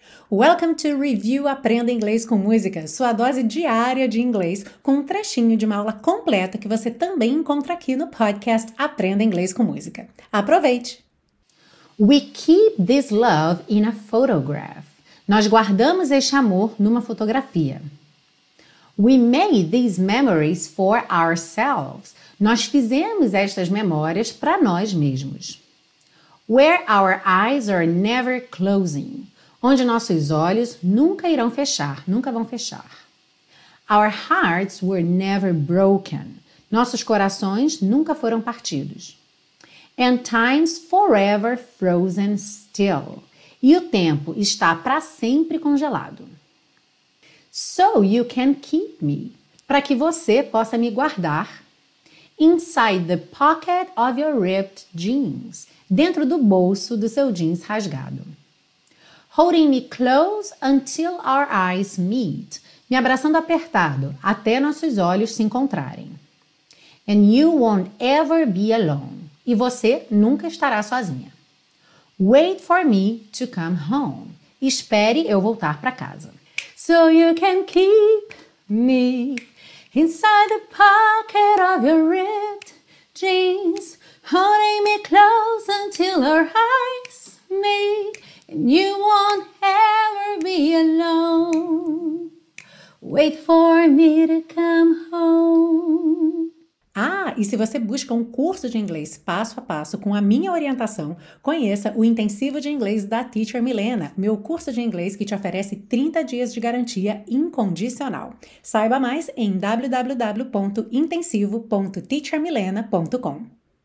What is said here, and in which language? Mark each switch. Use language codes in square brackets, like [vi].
[en] Welcome to [pt] Review Aprenda Inglês com Música, sua dose diária de inglês, com um trechinho de uma aula completa que você também encontra aqui no podcast Aprenda Inglês com Música. Aproveite! [en] We keep this love in a photograph. [pt] Nós guardamos este amor numa fotografia. [en] We made these memories for ourselves. [pt] Nós fizemos estas memórias para nós mesmos. [en] Where our eyes are never closing. [pt] Onde nossos olhos nunca irão fechar, nunca vão fechar. [en] Our hearts were never broken. [pt] Nossos corações nunca foram partidos. [en] And time's forever frozen still. [pt] E o tempo está para sempre congelado. [en] So you can keep me. [pt] Para que você possa me guardar. [en] Inside the pocket of your ripped jeans. [pt] Dentro do bolso do seu jeans rasgado. [en] Holding me close until our eyes meet. [pt] Me abraçando apertado até nossos olhos se encontrarem. [en] And you won't ever be alone. [pt] E você nunca estará sozinha. [en] Wait for me to come home. [pt] Espere eu voltar para casa. [en] So you can keep me inside the pocket of your ripped jeans, holding me close until our eyes meet, and you won't ever be alone. Wait for me to come home. [pt] Ah, e se você busca um curso de inglês passo a passo com a minha orientação, conheça o Intensivo de Inglês da Teacher Milena, meu curso de inglês que te oferece 30 dias de garantia incondicional. Saiba mais em www.intensivo.teachermilena.com.